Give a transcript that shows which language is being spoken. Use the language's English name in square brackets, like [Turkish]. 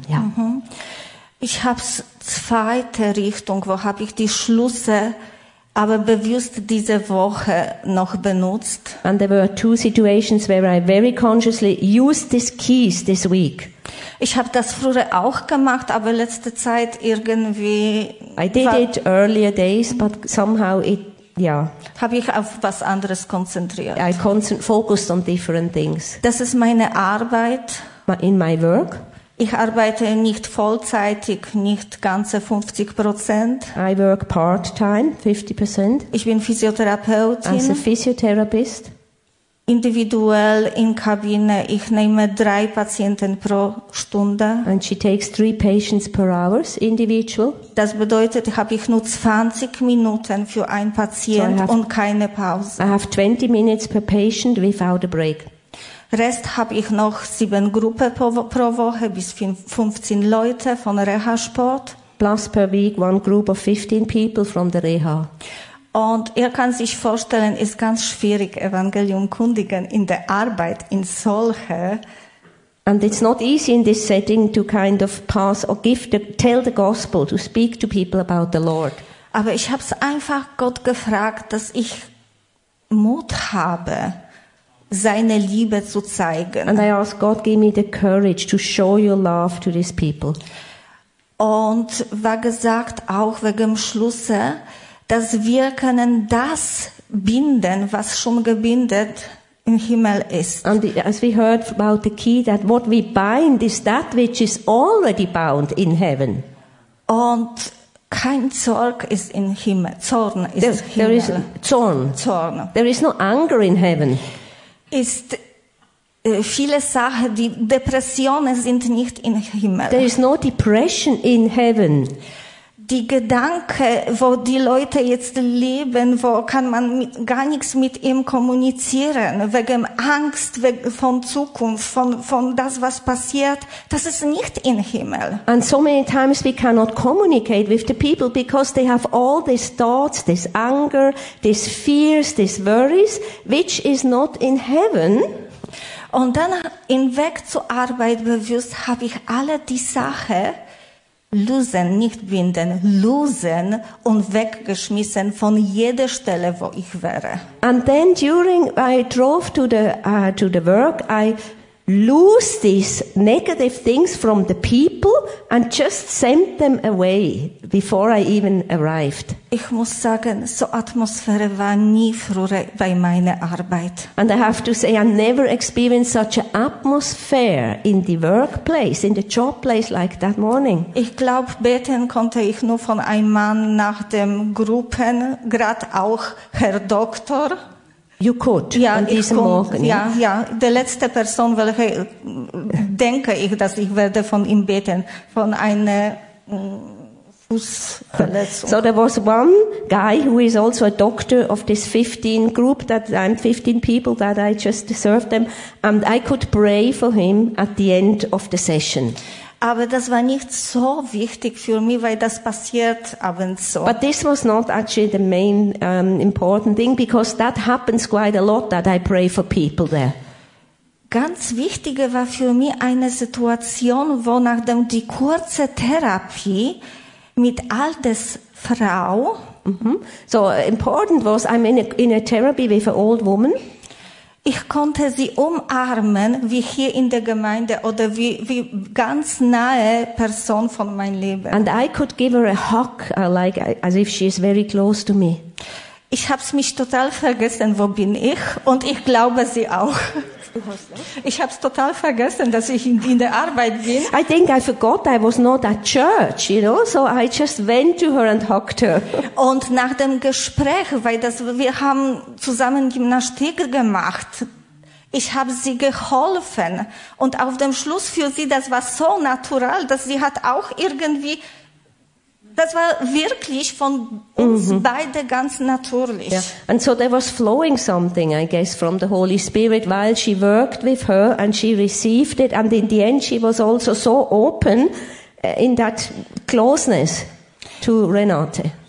[German] Yeah. Mm-hmm. Ich hab's zweite Richtung, wo hab ich die Schlüsse aber bewusst diese Woche noch benutzt. [English] And there were two situations where I very consciously used these keys this week. [German] Ich habe das früher auch gemacht, aber letzte Zeit irgendwie. [English] I did it earlier days, but somehow it, yeah. [German] Habe ich auf was anderes konzentriert. [English] I focused on different things. [German] Das ist meine Arbeit. [English] In my work. [German] Ich arbeite nicht vollzeitig, nicht ganze 50%. [English] I work part-time, 50%. [German] Ich bin Physiotherapeutin. [English] As a physiotherapist. [German] Individuell in Kabine, ich nehme 3 Patienten pro Stunde. [English] And she takes 3 patients per hour, individual. [German] Das bedeutet, habe ich nur 20 Minuten für einen Patient und keine Pause. [English] I have 20 minutes per patient without a break. [German] Rest habe ich noch 7 Gruppen pro Woche bis 15 Leute von Reha-Sport. [English] Plus per week one group of 15 people from the Reha. [German] Und ihr kann sich vorstellen, ist ganz schwierig, Evangelium kundigen in der Arbeit in solche. [English] And it's not easy in this setting to kind of pass or give the, tell the gospel, to speak to people about the Lord. [German] Aber ich habe es einfach Gott gefragt, dass ich Mut habe, seine Liebe zu zeigen. [English] And I ask God, give me the courage to show your love to these people. [German] Und war gesagt auch wegen dem Schlüssel, dass wir können das binden, was schon gebindet im Himmel ist. [English] And as we heard about the key, that what we bind is that which is already bound in heaven. [German] Und Kein Zorn ist in Himmel. Zorn ist [English] there, [German] Himmel. [English] There is Zorn. [German] Zorn. [English] There is no anger in heaven. [German] Ist viele Sachen, die Depressionen sind nicht in Himmel. [English] There is no depression in heaven. [German] Die Gedanken, wo die Leute jetzt leben, wo kann man mit, gar nichts mit ihm kommunizieren, wegen Angst von Zukunft, von das, was passiert, das ist nicht im Himmel. [English] And so many times we cannot communicate with the people because they have all these thoughts, this anger, these fears, these worries, which is not in heaven. [German] Und dann im Weg zur Arbeit bewusst habe ich alle die Sachen, losen, nicht binden, losen und weggeschmissen von jeder Stelle, wo ich wäre. [English] And then during I drove to the work, I lose these negative things from the people and just sent them away before I even arrived. [German] Ich muss sagen, so Atmosphäre war nie früher bei meiner Arbeit. [English] And I have to say, I never experienced such an atmosphere in the workplace, in the job place like that morning. [German] Ich glaube, beten konnte ich nur von einem Mann nach dem Gruppen, gerade auch Herr Doktor. [English] You could, [German] ja, an diesem Morgen. Ja, ja, die letzte Person, welche denke ich, dass ich werde von ihm beten, von einer Fußverletzung. [English] So there was one guy who is also a doctor of this 15 group, that I'm 15 people that I just served them, and I could pray for him at the end of the session. [German] Aber das war nicht so wichtig für mich, weil das passiert abends so. [English] But this was not actually the main important thing, because that happens quite a lot, that I pray for people there. [German] Ganz wichtige war für mich eine Situation, wo nachdem die kurze Therapie mit all des Frau... Mm-hmm. [English] So important was, I'm in a therapy with an old woman. [German] Ich konnte sie umarmen, wie hier in der Gemeinde oder wie ganz nahe Person von meinem Leben. [English] And I could give her a hug, like as if she is very close to me. [German] Ich hab's mich total vergessen, wo bin ich? Und ich glaube sie auch. Ich hab's total vergessen, dass ich in der Arbeit bin. [English] I think I forgot I was not at church, you know, so I just went to her and hugged her. [German] Und nach dem Gespräch, weil das, wir haben zusammen Gymnastik gemacht, ich habe sie geholfen. Und auf dem Schluss für sie, das war so natural, dass sie hat auch irgendwie, das war wirklich von uns mm-hmm. beide ganz natürlich. Yeah. [English] And so there was flowing something, I guess, from the Holy Spirit while she worked with her and she received it. And in the end she was also so open in that closeness to Renate.